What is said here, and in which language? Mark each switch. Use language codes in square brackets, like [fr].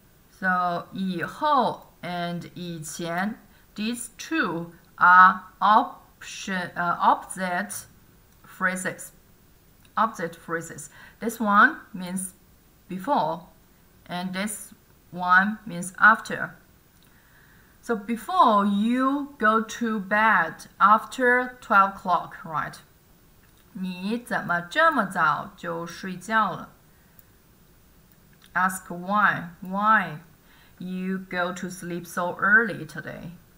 [en] So, 以后 and 以前 these two are opposite phrases. This one means before, and this one means after. So, before you go to bed after 12 o'clock, right? [zh] 你怎么这么早就睡觉了? [en] Ask why. Why you go to sleep so early today?